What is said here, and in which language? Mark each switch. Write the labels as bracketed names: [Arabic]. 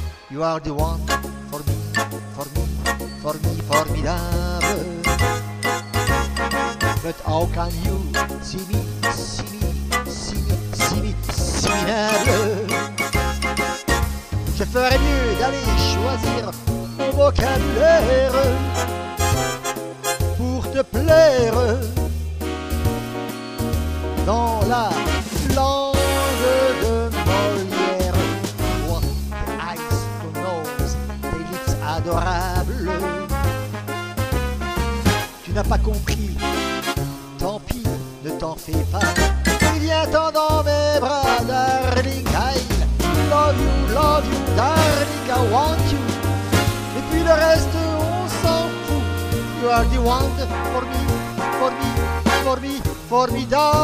[English] You are the one for me, for me, for me, formidable. But how can you see me, see me, see me, see me, see me, see me? [French] Je ferais mieux d'aller choisir mon vocabulaire pour te plaire dans la langue de Molière. [English] What eyes, the nose, tes lips adorables. [French] Tu n'as pas compris, tant pis, ne t'en fais pas. Et viens-t'en dans mes bras, [English] darling, I love you, darling, I want you. [French] Et puis le reste, on s'en fout. [English] You are the one for me, for me, for me, formidable.